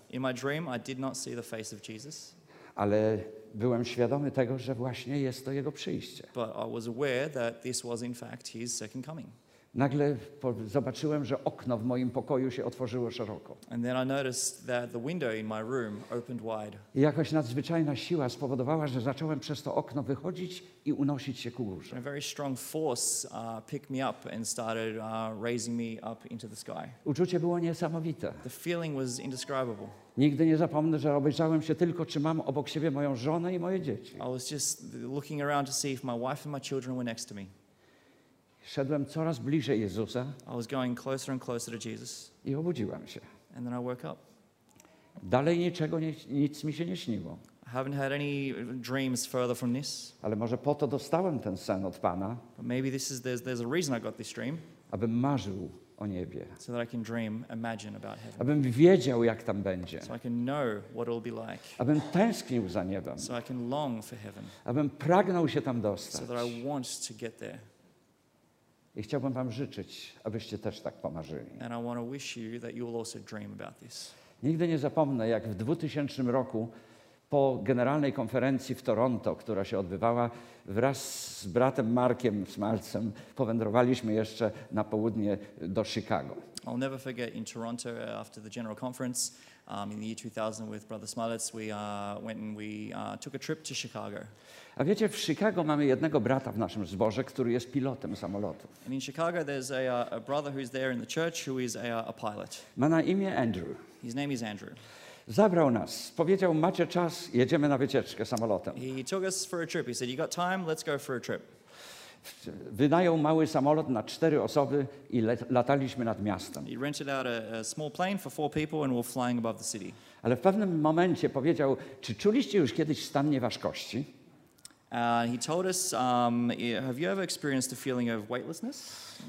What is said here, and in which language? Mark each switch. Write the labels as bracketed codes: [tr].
[en] In my dream I did not see the face of Jesus. [pl] Ale byłem świadomy tego, że właśnie jest to jego przyjście. [en] But I was aware that this was in fact his second coming. [pl] Nagle zobaczyłem, że okno w moim pokoju się otworzyło szeroko. [en] And then I noticed that the window in my room opened wide. [pl] I jakaś nadzwyczajna siła spowodowała, że zacząłem przez to okno wychodzić i unosić się ku górze. [en] A very strong force picked me up and started raising me up into the sky. [pl] Uczucie było niesamowite. [en] The feeling was indescribable. [pl] Nigdy nie zapomnę, że obejrzałem się tylko, czy mam obok siebie moją żonę i moje dzieci. [en] I was just looking around to see if my wife and my children were next to me. [pl] Szedłem coraz bliżej Jezusa. [en] I was going closer and closer to Jesus. [pl] I obudziłem się. [en] And then I woke up. [pl] Dalej niczego, nic mi się nie śniło. [en] I haven't had any dreams further from this. [pl] Ale może po to dostałem ten sen od Pana. [en] But maybe this is there's a reason I got this dream. [pl] Abym marzył o niebie. [en] So that I can dream, imagine about heaven. [pl] Abym wiedział, jak tam będzie. [en] So I can know what it'll be like. [pl] Abym tęsknił za niebem. [en] So I can long for heaven. [pl] Abym pragnął się tam dostać. [en] So that I want to get there. [pl] I chciałbym wam życzyć, abyście też tak pomarzyli. [en] And I want to wish you that you will also dream about this. [pl] Nigdy nie zapomnę, jak w 2000 roku po generalnej konferencji w Toronto, która się odbywała, wraz z bratem Markiem Smalcem powędrowaliśmy jeszcze na południe do Chicago. [en] I'll never forget in Toronto after the general conference in the year 2000 with brother Smalec, we took a trip to Chicago. [pl] A wiecie, w Chicago mamy jednego brata w naszym zborze, który jest pilotem samolotu. [en] And in Chicago there's a brother who's there in the church who is a pilot. [pl] Ma na imię Andrew. [en] His name is Andrew. [pl] Zabrał nas. Powiedział, macie czas, jedziemy na wycieczkę samolotem. [en] He took us for a trip. He said, you got time, let's go for a trip. [pl] Wynajął mały samolot na 4 osoby i lataliśmy nad miastem. [en] He rented out a small plane for 4 people and we're flying above the city. [pl] Ale w pewnym momencie powiedział, czy czuliście już kiedyś stan nieważkości? [en] He told us, have you ever experienced a feeling of weightlessness?